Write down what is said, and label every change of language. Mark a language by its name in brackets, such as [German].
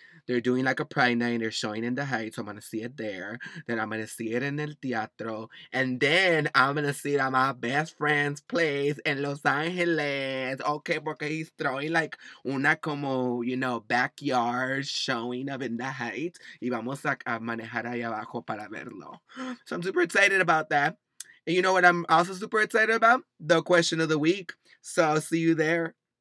[English] They're doing like a Pride Night. They're showing in the Heights. So I'm going to see it there. Then I'm going to see it in El Teatro. And then I'm going to see it at my best friend's place in Los Angeles. Okay, [Spanish] porque [English] he's throwing like [Spanish] una como, [English] you know, backyard showing of in the Heights. [Spanish] Y vamos a manejar ahí abajo para verlo. [English] So I'm super excited about that. And you know what I'm also super excited about? The question of the week. So I'll see you there.